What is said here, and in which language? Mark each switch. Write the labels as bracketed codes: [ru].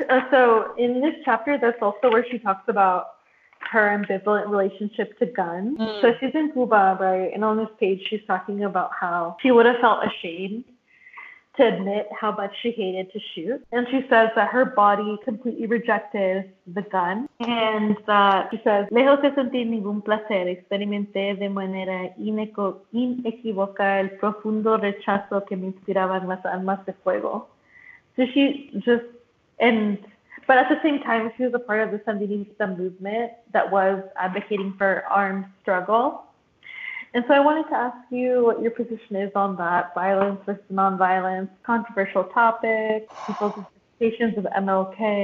[en] So in this chapter, that's also where she talks about her ambivalent relationship to guns. Mm. So she's in Cuba, right? And on this page, she's talking about how she would have felt ashamed to admit how much she hated to shoot. And she says that her body completely rejected the gun. And that she says, [es] lejos de sentir ningún placer, experimenté de manera inequívoca el profundo rechazo que me inspiraban las armas de fuego. [en] So she just, but at the same time, she was a part of the Sandinista movement that was advocating for armed struggle. And so I wanted to ask you what your position is on that violence versus nonviolence, controversial topic, people's interpretations of MLK.